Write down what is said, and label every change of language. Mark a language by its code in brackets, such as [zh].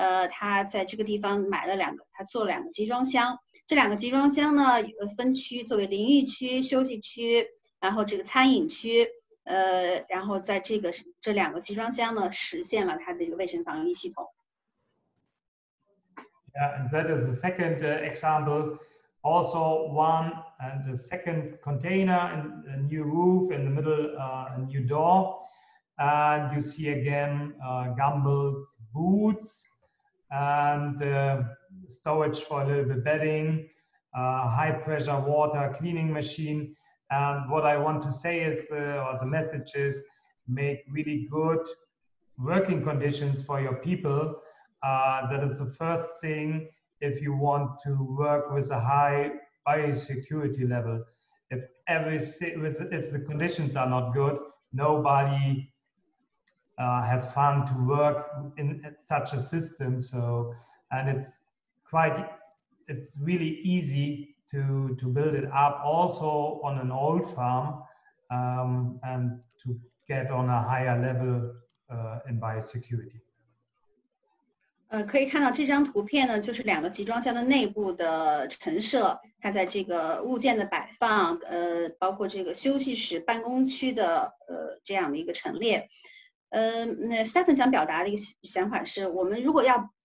[zh] 他在这个地方买了两个，他做了两个集装箱。这两个集装箱呢，分区作为淋浴区、休息区，然后这个餐饮区，然后在这两个集装箱呢，实现了他的一个卫生防御系统。 [en] Yeah, and that is the second example. Also, one and the second container and a new roof in the middle, a new door, and you see again gumboots, boots. And storage for a little bit bedding, high pressure water cleaning machine. And what I want to say is, or the message is, make really good working conditions for your people. That is the first thing if you want to work with a high biosecurity level. If the conditions are not good, nobody. Has fun to work in such a system. So, and it's really easy to build it up also on an old farm and to get on a higher level in biosecurity. [zh] 可以看到这张图片呢，就是两个集装箱的内部的陈设，它在这个物件的摆放，包括这个休息室、办公区的这样的一个陈列。那 Stephen 想表达的一个想法是，我们如果要